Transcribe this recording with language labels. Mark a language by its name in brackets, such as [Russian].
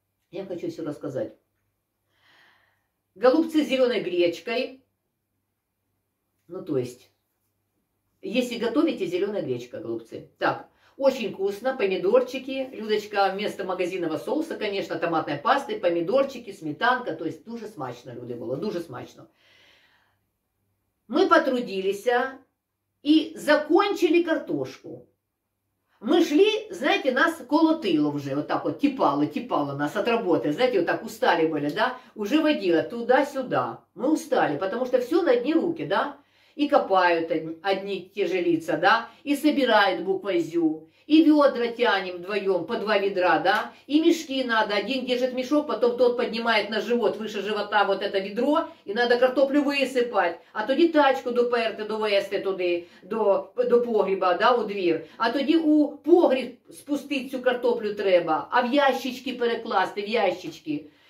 [Russian] Я хочу все рассказать. Голубцы с зеленой гречкой. Ну, то есть, если готовите, зеленая гречка, голубцы. Так, очень вкусно, помидорчики. Людочка вместо магазинного соуса, конечно, томатной пасты, помидорчики, сметанка. То есть, [Ukrainian] дуже смачно, люди, было, дуже смачно. [Russian] Мы потрудились и закончили картошку. Мы шли, знаете, нас колотило уже, вот так вот, типало, типало нас от работы, знаете, вот так устали были, да, уже водило туда-сюда. Мы устали, потому что все на одни руки, да, и копают одни те же лица, да, и собирают буквой ЗЮ, и ведра тянем вдвоем по 2 ведра, да, и мешки надо, один держит мешок, потом тот поднимает на живот, выше живота вот это ведро, и надо картоплю высыпать, [Ukrainian] а тоді тачку до перти, до вести туди, до погреба, да, у двір, а тоді у погреб спустить цю картоплю треба, а в ящички [Russian] перекласти, в ящички.